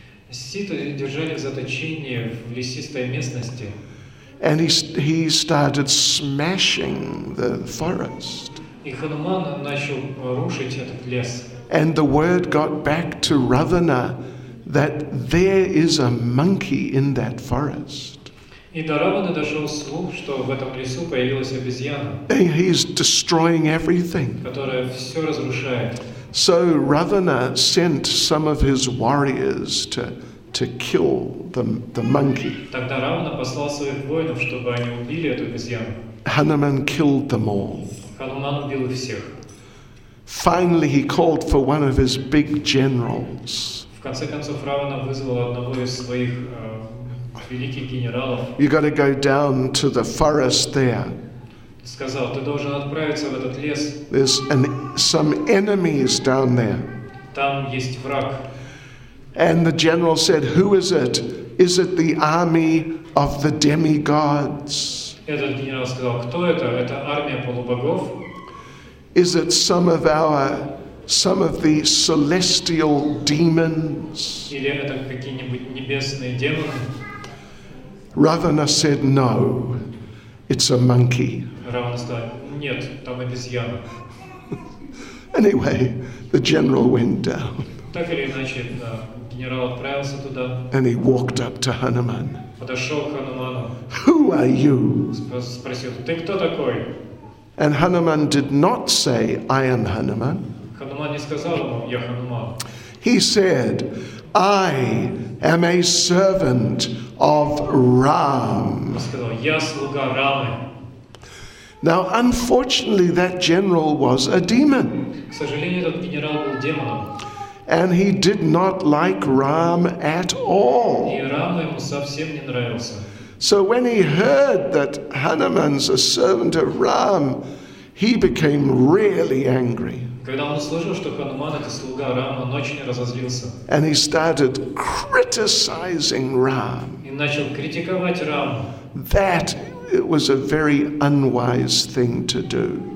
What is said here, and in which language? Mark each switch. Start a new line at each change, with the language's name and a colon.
Russian: Сита держали в заточении в лесистой местности.
English: And he started smashing the forest.
Russian: И Хануман начал рушить этот лес.
English: And the word got back to Ravana that there is a monkey in that forest.
Russian: И до Равана дошел слух, что в этом лесу появилась обезьяна.
English: And he's destroying everything.
Russian: Которая все разрушает.
English: So Ravana sent some of his warriors to to kill the monkey.
Russian: Тогда Равана послал своих воинов, чтобы они убили эту обезьяну.
English: Hanuman killed them all.
Russian: Хануман убил их всех.
English: Finally, he called for one of his big generals.
Russian: В конце концов, Равана вызвал одного из своих великих генералов.
English: You got to go down to the forest there.
Russian: Сказал, ты должен отправиться в этот лес.
English: There's some enemies down there.
Russian: Там есть враг.
English: And the general said, "Who is it? Is it the army of the demigods?"
Russian: Этот генерал сказал, кто это? Это армия полубогов?
English: Is it some of the celestial demons?
Russian: Или это какие-нибудь небесные демоны?
English: Ravana said, "No, it's a monkey."
Russian: Равана сказал, нет, там обезьяна.
English: Anyway, the general went down.
Russian: Так или иначе, генерал отправился туда.
English: And he walked up to Hanuman.
Russian: Подошел к Хануману.
English: Who are you?
Russian: Спросил, ты кто такой?
English: And Hanuman did not say, I am Hanuman.
Russian: Хануман не сказал ему, я Хануман.
English: He said, I am a servant of Ram.
Russian: Сказал, я слуга Рамы.
English: Now, unfortunately, that general was a demon.
Russian: К сожалению, этот генерал был демоном.
English: And he did not like Ram at all.
Russian: И Рама ему совсем не нравился.
English: So when he heard that Hanuman's a servant of Ram, he became really angry.
Russian: Когда он услышал, что Хануман это слуга Рама, он очень разозлился.
English: And he started criticizing Ram.
Russian: И начал критиковать Раму.
English: That it was a very unwise thing to do.